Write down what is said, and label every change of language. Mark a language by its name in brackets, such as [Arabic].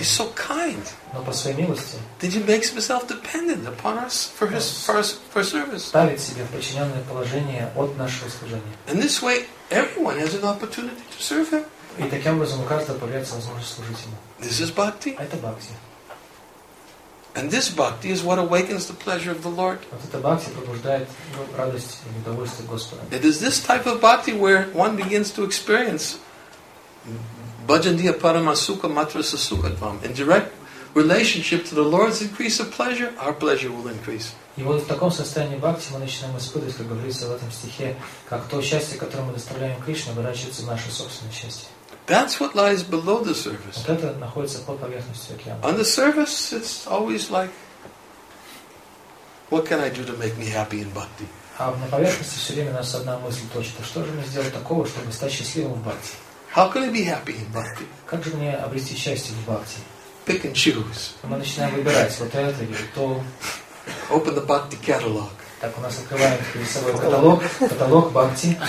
[English] But he's so kind. [Russian] Но по своей милости. [English] Did he make himself dependent upon us for his for service? [Russian] Ставит себя в подчиненное положение от нашего служения. [English] In this way, everyone has an opportunity to serve him. [Russian] И таким образом у каждого появляется возможность служить ему. [English] This is bhakti. [Russian] Это бхакти. [English] And this bhakti is what awakens the pleasure of the Lord. [Russian] Вот эта бхакти пробуждает радость и удовольствие Господа. [English] It is this type of bhakti where one begins to experience [Sanskrit] bhajandiya paramasukha matrasa sukhatvam. [English] In direct relationship to the Lord's increase of pleasure, our pleasure will increase. [Russian] И вот в таком состоянии бхакти мы начинаем испытывать, как говорится в этом стихе, как то счастье, которое мы доставляем Кришне, выращивается в наше собственное счастье. [English] That's what lies below the surface. [Russian] Вот это находится под поверхностью океана. [English] On the surface, it's always like, what can I do to make me happy in bhakti? [Russian] А на поверхности все время у нас одна мысль точит. А что же мне сделать такого, чтобы стать счастливым в бхакти? [English] How can I be happy in bhakti? [Russian] Как же мне обрести счастье в бхакти? [English] Pick and choose. [Russian] Мы начинаем выбирать вот это или то. [English] Open the bhakti catalog. [Russian] Так у нас открывается перед собой каталог бхакти.